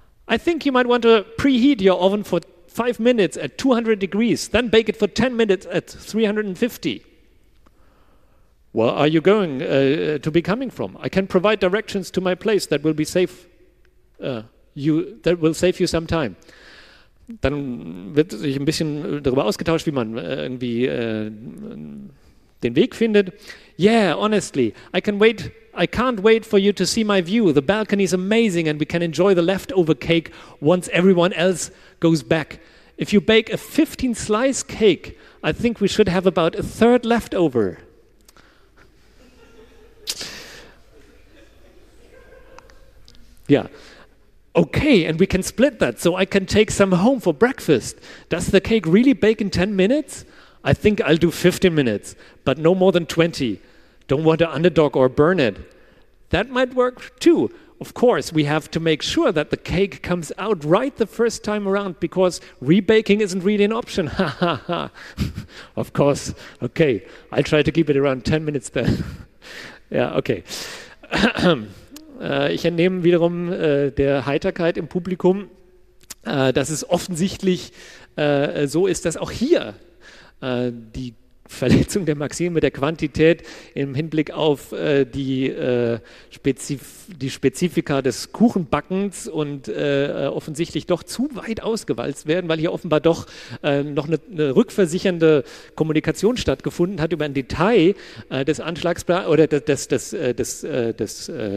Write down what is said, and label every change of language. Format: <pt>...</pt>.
<en>I think you might want to preheat your oven for 5 minutes at 200 degrees, then bake it for 10 minutes at 350. Where are you going to be coming from? I can provide directions to my place that will be safe. That will save you some time.</en> <de>Dann wird sich ein bisschen darüber ausgetauscht, wie man irgendwie den Weg findet.</de> <en>Yeah, honestly, I can't wait for you to see my view. The balcony is amazing and we can enjoy the leftover cake once everyone else goes back. If you bake a 15-slice cake, I think we should have about a third leftover. Yeah. Okay, and we can split that, so I can take some home for breakfast. Does the cake really bake in 10 minutes? I think I'll do 15 minutes, but no more than 20. Don't want to underdog or burn it. That might work too. Of course, we have to make sure that the cake comes out right the first time around, because rebaking isn't really an option. Ha ha ha. Of course. Okay, I'll try to keep it around 10 minutes then.</en> <de>Ja, okay. Ich entnehme wiederum der Heiterkeit im Publikum, dass es offensichtlich so ist, dass auch hier die Verletzung der Maxime der Quantität im Hinblick auf die Spezifika des Kuchenbackens und offensichtlich doch zu weit ausgewalzt werden, weil hier offenbar doch noch eine rückversichernde Kommunikation stattgefunden hat über ein Detail des Anschlagsplans oder des</de>